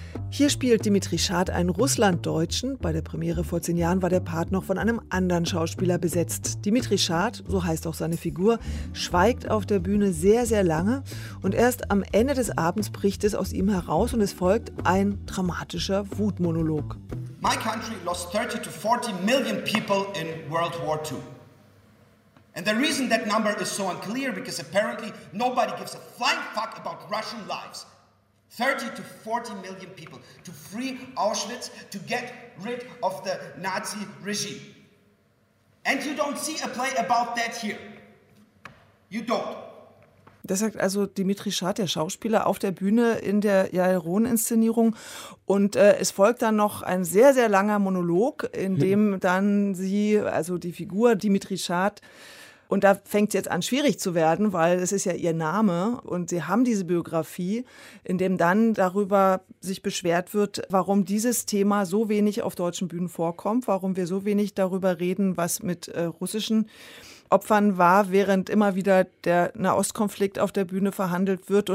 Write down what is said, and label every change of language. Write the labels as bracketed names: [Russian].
[German] Hier spielt Dimitri Schad einen Russlanddeutschen. Bei der Premiere vor 10 Jahren war der Part noch von einem anderen Schauspieler besetzt. Dimitri Schad, so heißt auch seine Figur, schweigt auf der Bühne sehr, sehr lange. Und erst am Ende des Abends bricht es aus ihm heraus und es folgt ein dramatischer Wutmonolog. [English] My country lost 30 to 40 million people in World War II. And the reason that number is so unclear, because apparently nobody gives a flying fuck about Russian lives. 30 to 40 million people to free Auschwitz, to get rid of the Nazi regime. And you don't see a play about that here. You don't. [German] Das sagt also Dimitri Schad, der Schauspieler, auf der Bühne in der Yael Roon-Inszenierung. Und es folgt dann noch ein sehr, sehr langer Monolog, in dem dann sie, also die Figur Dimitri Schad, und da fängt es jetzt an, schwierig zu werden, weil es ist ja ihr Name und sie haben diese Biografie, in dem dann darüber sich beschwert wird, warum dieses Thema so wenig auf deutschen Bühnen vorkommt, warum wir so wenig darüber reden, was mit russischen Opfern war, während immer wieder der Nahostkonflikt auf der Bühne verhandelt wird.